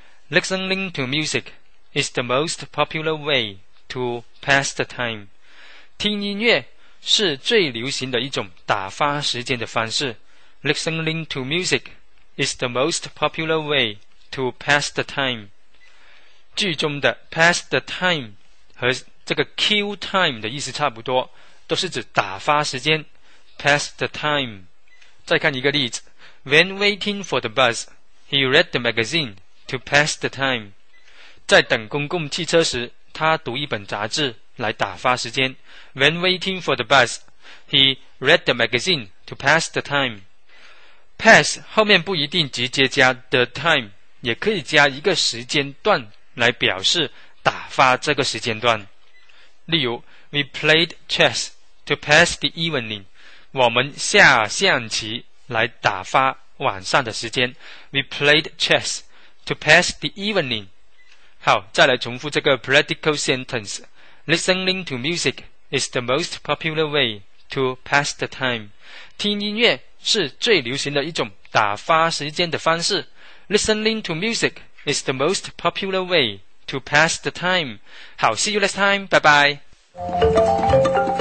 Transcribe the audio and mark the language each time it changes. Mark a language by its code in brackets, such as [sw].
[en] Listening to music is the most popular way to pass the time. [zh] 听音乐是最流行的一种打发时间的方式。 [en] Listening to music is the most popular way to pass the time. [zh] 句中的 [en] pass the time [zh] 和这个 [en] kill time [zh] 的意思差不多，都是指打发时间。 [en] Pass the time. [zh] 再看一个例子。 [en] When waiting for the bus, he read the magazine to pass the time. [zh] 在等公共汽车时，他读一本杂志来打发时间。 [en] When waiting for the bus, he read the magazine to pass the time. [zh] Pass 后面不一定直接加 [en] the time, [zh] 也可以加一个时间段来表示打发这个时间段。 [en] 例如 ,We played chess to pass the evening. [zh] 我们下象棋来打发晚上的时间。 [en] We played chess to pass the evening. [zh] 好，再来重复这个 [en] practical sentence. Listening to music is the most popular way to pass the time. 听音乐是最流行的一种打发时间的方式。 Listening to music is the most popular way to pass the time. [zh] 好 [en] ,see you next time, [zh] 拜拜。